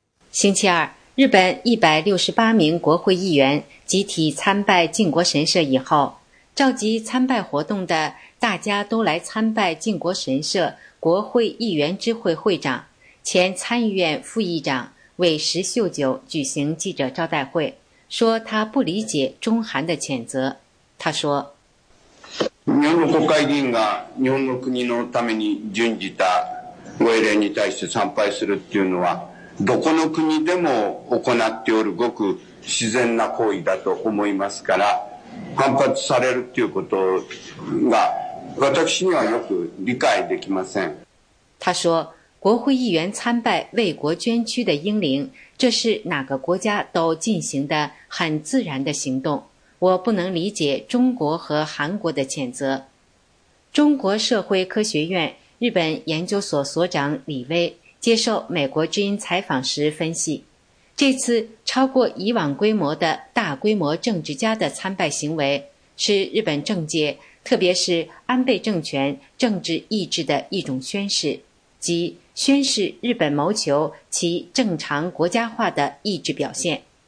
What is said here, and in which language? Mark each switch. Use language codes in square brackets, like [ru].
[zh] 星期二，日本168名国会议员集体参拜靖国神社以后，召集参拜活动的大家都来参拜靖国神社国会议员之会会长、前参议院副议长尾石秀九举行记者招待会，说他不理解中韩的谴责。他说， [ja] 日本国会议员が日本の国のために準じたご英霊に対して参拝するっていうのは、どこの国でも行っておるごく自然な行為だと思いますから、反発されるっていうことが私にはよく理解できません。 [zh] 他说，国会议员参拜为国捐躯的英灵，这是哪个国家都进行的很自然的行动。我不能理解中国和韩国的谴责。中国社会科学院日本研究所所长李威接受美国之音采访时分析，这次超过以往规模的大规模政治家的参拜行为，是日本政界特别是安倍政权政治意志的一种宣示，即宣示日本谋求其正常国家化的意志表现。